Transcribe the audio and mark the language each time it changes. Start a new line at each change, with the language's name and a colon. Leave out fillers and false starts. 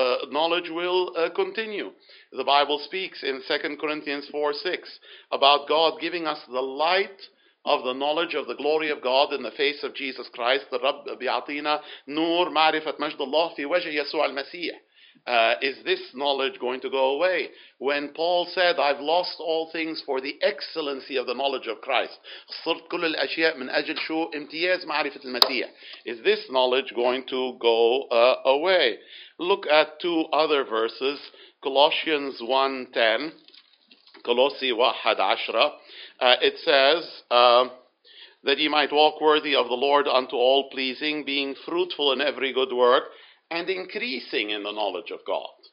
English: Knowledge will continue. The Bible speaks in 2 Corinthians 4:6 about God giving us the light of the knowledge of the glory of God in the face of Jesus Christ.
Arabic: The رب بيعطينا نور معرفة مجد الله في وجه يسوع المسيح.
English: Is this knowledge going to go away? When Paul said, I've lost all things for the excellency of the knowledge of Christ.
Arabic: خسرت كل الأشياء من أجل شو امتياز معرفة المسيح.
English: Is this knowledge going to go away? Look at two other verses. Colossians 1:10. Colossi 1:10. It says that he might walk worthy of the Lord unto all pleasing, being fruitful in every good work, and increasing in the knowledge of God.